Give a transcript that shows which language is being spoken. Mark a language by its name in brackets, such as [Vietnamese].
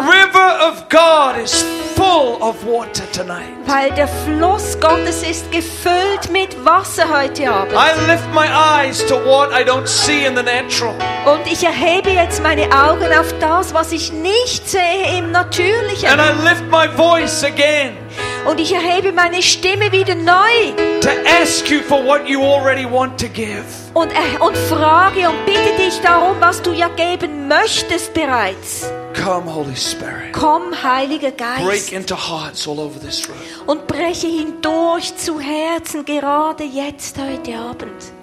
[English] The river of God is full of water tonight. [German] Weil der Fluss Gottes ist gefüllt mit Wasser heute Abend. [English] I lift my eyes to what I don't see in the natural. [German] Und ich erhebe jetzt meine Augen auf das, was ich nicht sehe im Natürlichen. [English] And I lift my voice again. [German] Und ich erhebe meine Stimme wieder neu. [English] To ask you for what you already want to give. [German] Und frage und bitte dich darum, was du ja geben möchtest bereits. [English] Come, Holy Spirit. [German] Komm, Heiliger Geist. [English] Break into hearts all over this room. [German] Und breche hindurch zu Herzen, gerade jetzt, heute Abend.